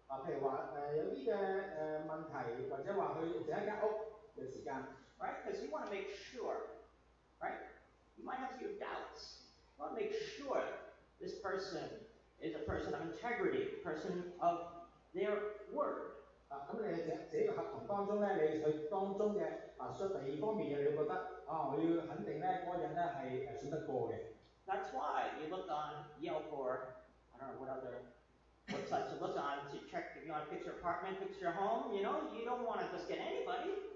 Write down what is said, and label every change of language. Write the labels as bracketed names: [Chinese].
[Cantonese] 譬如話有啲嘅問題，或者話去整一間屋嘅時間 [English] ，right? Because you want to make sure, right? You might have your doubts. You want to make sure this person is a person of integrity, person of their word. [Cantonese] 咁你喺這個合同當中咧，你去當中嘅啊，第二方面嘅，你會覺得啊，我要肯定咧，嗰個人咧係信得過嘅。 [English] That's why you look on Yelp or I don't know what other. Websites to look on to check if you want to fix your apartment, fix your home, you know, you don't want to just get anybody.